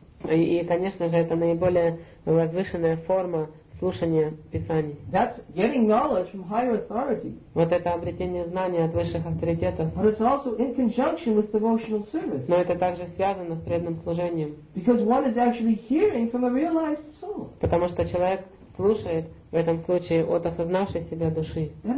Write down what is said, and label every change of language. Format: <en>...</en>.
<ru>И, конечно же, это наиболее возвышенная форма слушание Писаний.</ru> <en>That's getting knowledge from higher authority.</en> <ru>Вот это обретение знания от высших авторитетов.</ru> <en>But it's also in conjunction with devotional service.</en> <ru>Но это также связано с преданным служением.</ru> <en>Because one is actually hearing from a realized soul.</en> <ru>Потому что человек слушает в этом случае от осознавшей себя души.</ru>